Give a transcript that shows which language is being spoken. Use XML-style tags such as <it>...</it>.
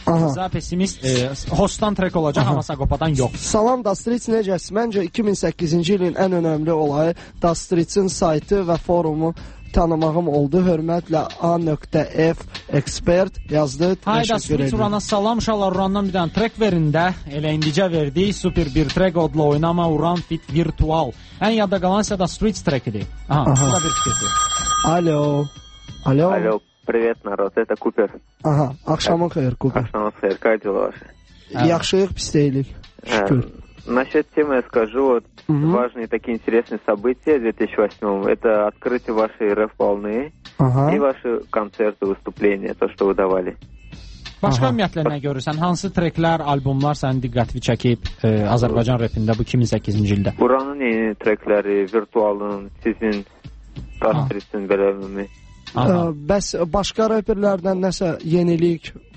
<az>Aha. Pessimist hostdan track olacaq. Aha. Amma Saqopadan yox. Salam Da Streets, necəsiz? Məncə 2008-ci ilin ən önəmli olayı Da Streets'in saytı və forumu tanımağım oldu. Hörmətlə A.F. Expert yazdı. Hayda Street Urana salam, inşallah Urandan bir dənə track verin də. Elə indicə verdi. Super bir track odlu oynama Uran Fit Virtual. Ən yada qalan isə Da Streets track idi. Aha, bu da bir fikirdir. Alo.</az> <ru>Привет, народ, это Купер.</ru> <az>Aha, axşamın xeyir, Купер. Axşamın xeyir, kardiyolar. Yaxşıyıq, pis deyilik, şükür.</az> <ru>Насчет темы я скажу, вот важные такие интересные события в 2008-м, это открытие вашей РФ волны и ваши концерты, выступления, то, что вы давали.</ru> <az>Başqa ümumiyyətlə nə görürsən? Hansı treklər, albumlar sənin diqqətini çəkib Azərbaycan rapində bu 2008-ci ildə? Buranın yeni trekləri, virtualın, sizin, Tastris'in belə ümumi. Bəs başqa rapperlərdən nəsə yenilik?</az>